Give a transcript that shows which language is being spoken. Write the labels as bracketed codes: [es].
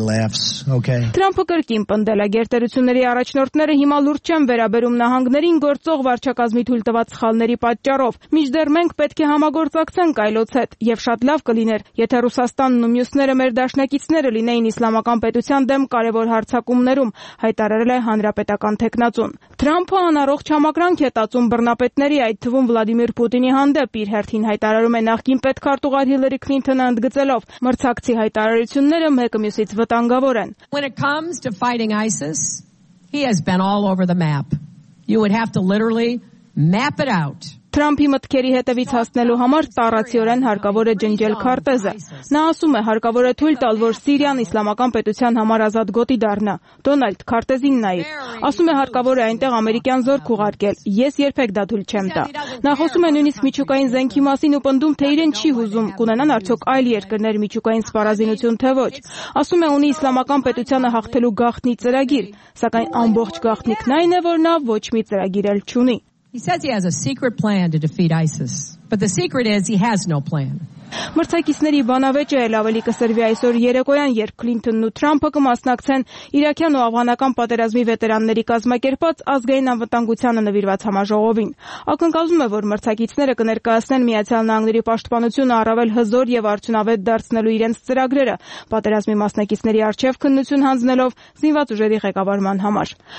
[hy] Թրամփը կրկին պնդել է, գերտերությունների առաջնորդները հիմա լուրջ չեն վերաբերում նահանգներին գործող վարչակազմի թույլ տված սխալների պատճառով։ Մինչդեռ մենք պետք է համագործակցենք այլոց հետ, և շատ լավ կլիներ, եթե Ռուսաստանն ու մյուսները մեր դաշնակիցները լինեին իսլամական պետության դեմ կարևոր հարձակումներում, հայտարարել է հանրապետական թեկնածուն։ Թրամփը անառողջ համակրանք է տածում բռնապետների, այդ թվում Վլադիմիր Պուտինի հանդեպ, իր հերթին հայտարարում է նախկին պետքարտուղար Հիլլարի Քլինթոնը ընդգծելով։ Մրցակցի հայտարարությունները մեկը մյուսից վտանգ [en] When it comes to fighting ISIS, he has been all over the map. You would have to literally map it out. [hy] Թրամփի մտքերի հետևից հասնելու համար տարածիորեն հարկավոր է ջնջել քարտեզը։ Նա ասում է, հարկավոր է թույլ տալ, որ Սիրիան իսլամական պետության համար ազատ գոտի դառնա։ Դոնալդ քարտեզին նայիր։ Ասում է, հարկավոր է այնտեղ ամերիկյան զորք ուղարկել։ Ես երբեք դա թույլ չեմ տա։ Նա խոսում է նույնիսկ միջուկային զենքի մասին ու պնդում, թե իրեն չի հուզում կունենան արդյոք այլ երկրներ միջուկային սպառազինություն, թե ոչ։ Ասում է, ունի իսլամական պետությանը հաղթելու գաղտնի ծրագիր, սակայն ամբողջ գաղտնիքն այն է, որ նա ոչ մի ծրագիր էլ չունի։ [en] He says he has a secret plan to defeat ISIS, but the secret is he has no plan. [hy] Մրցակիցների բանավեճը էլ ավելի կսրվի այսօր երեկոյան, երբ Քլինթոնն ու Թրամփը կմասնակցեն Իրաքյան ու Աֆղանական պատերազմի վետերանների կազմակերպած ազգային անվտանգությանը նվիրված համաժողովին։ Ակնկալվում է, որ մրցակիցները կներկայացնեն Միացյալ Նահանգների պաշտպանությունը առավել հզոր և արդյունավետ դարձնելու իրենց ծրագրերը, պատերազմի մասնակիցների առջև քննություն հանձնելով զինված ուժերի ղեկավարման համար։